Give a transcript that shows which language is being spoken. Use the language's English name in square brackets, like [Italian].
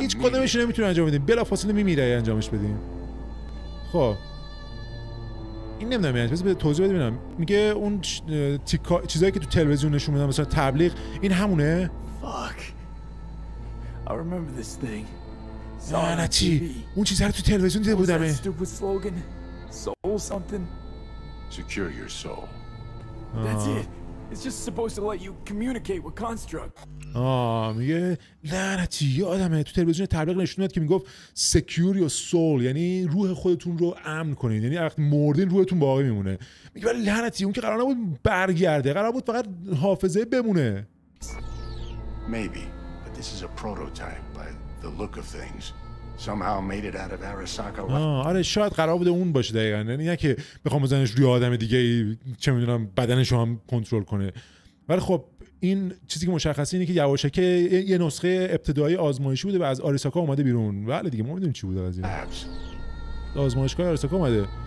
[Persian] هیچ کدومش نمیتونه انجام بدیم. بلافاصله میمیره انجامش بدیم. خب این نمیدونم یعنی بذار توضیح بدم ببینم. میگه اون چیزایی که تو تلویزیون نشون میدن مثلا تبلیغ این همونه؟ [English] Fuck. I remember this thing. [Persian] لعنتی. اون چیزا رو تو تلویزیون دیده بودم. [English] Stupid slogan. Soul something. Secure your soul. That's it. It's just supposed to let you communicate with construct. [Persian] میگه لعنتی یادمه تو تلویزیون تبلیغ نشون میداد که میگفت [English] secure your soul [Persian] یعنی روح خودتون رو امن کنید یعنی وقتی مردین روحتون باقی میمونه. میگه ولی لعنتی اون که قرار نبود برگرده قرار بود فقط حافظه بمونه. [English] Maybe but this is a prototype by the look of things somehow made it out of Arasaka. [Persian] آره شاید قرار بود اون باشه دقیقاً یعنی نه که بخوام بزنش روی آدم دیگه چه میدونم بدنشو هم کنترل کنه ولی خب این چیزی که مشخصه اینه که یواشکی یه نسخه ابتدایی آزمایشی بوده و از آریساکا اومده بیرون. بله دیگه ما میدونیم چی بوده از این آزمایشگاه آریساکا اومده.